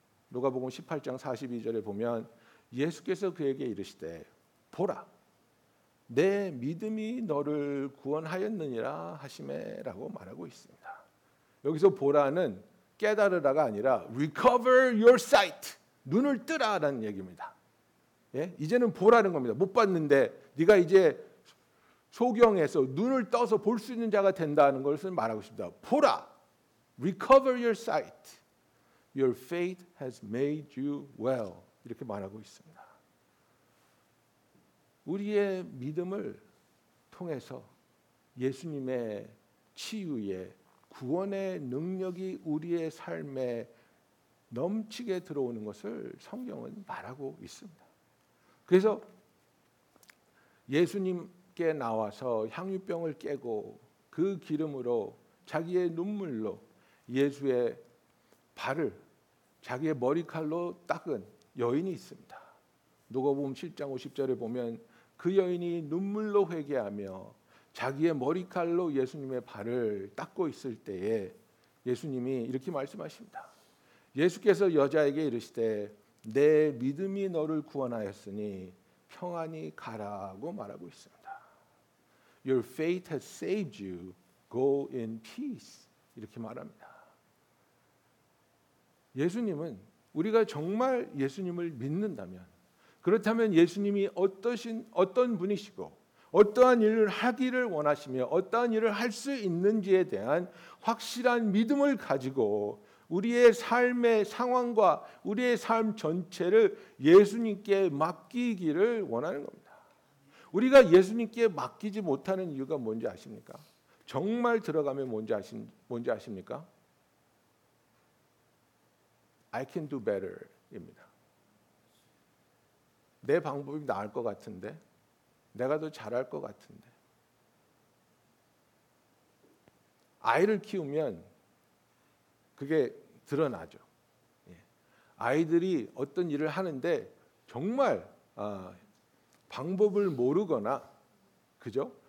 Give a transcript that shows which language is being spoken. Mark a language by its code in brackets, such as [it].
[ko] 누가복음 18장 42절에 보면 예수께서 그에게 이르시되 보라, 내 믿음이 너를 구원하였느니라 하시매 라고 말하고 있습니다. 여기서 보라는 깨달으라가 아니라 [en] recover your sight, [ko] 눈을 뜨라라는 얘기입니다. 예? 이제는 보라는 겁니다. 못 봤는데 네가 이제 소경에서 눈을 떠서 볼 수 있는 자가 된다는 것을 말하고 있습니다. 보라, [en] recover your sight, your faith has made you well, [ko] 이렇게 말하고 있습니다. 우리의 믿음을 통해서 예수님의 치유에 구원의 능력이 우리의 삶에 넘치게 들어오는 것을 성경은 말하고 있습니다. 그래서 예수님께 나와서 향유병을 깨고 그 기름으로 자기의 눈물로 예수의 발을 자기의 머리칼로 닦은 여인이 있습니다. 누가복음 7장 50절에 보면 그 여인이 눈물로 회개하며 자기의 머리칼로 예수님의 발을 닦고 있을 때에 예수님이 이렇게 말씀하십니다. 예수께서 여자에게 이르시되 내 믿음이 너를 구원하였으니 평안히 가라고 말하고 있습니다. [en] Your faith has saved you. Go in peace. [ko] 이렇게 말합니다. 예수님은 우리가 정말 예수님을 믿는다면, 그렇다면 예수님이 어떤 분이시고 어떠한 일을 하기를 원하시며 어떠한 일을 할 수 있는지에 대한 확실한 믿음을 가지고 우리의 삶의 상황과 우리의 삶 전체를 예수님께 맡기기를 원하는 겁니다. 우리가 예수님께 맡기지 못하는 이유가 뭔지 아십니까? 정말 들어가면 뭔지 아십니까? [en] I can do better [ko] 입니다. 내 방법이 나을 것 같은데, 내가 더 잘할 것 같은데. 아이를 키우면 그게 드러나죠. 아이들이 어떤 일을 하는데 정말 방법을 모르거나, 그죠?